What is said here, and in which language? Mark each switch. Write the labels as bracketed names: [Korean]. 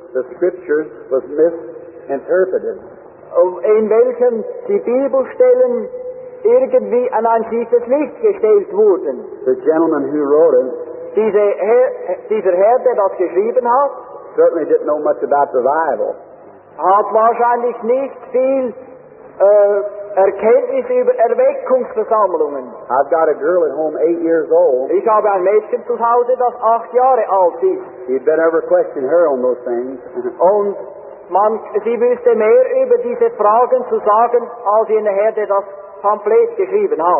[English] The scriptures was misinterpreted. [German] In welchem die Bibelstellen irgendwie an ein schiefes Licht gestellt wurden. [English] The gentleman who wrote it, [German] dieser Herr, der das geschrieben hat, [English] certainly didn't know much about the Bible. [German] Hat wahrscheinlich nicht viel Erkenntnis über Erweckungsversammlungen. [English] I've got a girl at home 8 years old. [German] Ich habe ein Mädchen zu Hause, das 8 Jahre alt ist. [English] You'd better ever question her on those things. [German] Und man, sie wüsste mehr über diese Fragen zu sagen, als jene Herr, der das Pamphlet geschrieben hat.